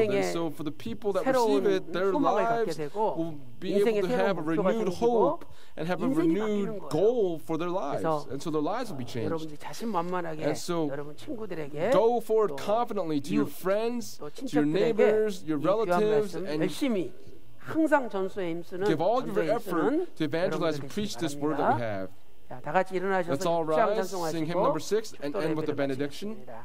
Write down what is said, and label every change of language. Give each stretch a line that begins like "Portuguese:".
Korean: 인생에
English: so for the people that receive it, their lives will be able to have a renewed hope and have a renewed goal for their lives. And so their lives will be changed.
Korean: 여러분 자신만만하게 여러분 친구들에게
English: go forward confidently to your friends, to your neighbors, your relatives, and
Korean: 열심히 항상 전수에 힘쓰는
English: give all your effort to evangelize and preach this word that we have.
Korean: 다 같이 일어나셔서
English: Let's all rise, sing hymn number 6 and end with the benediction.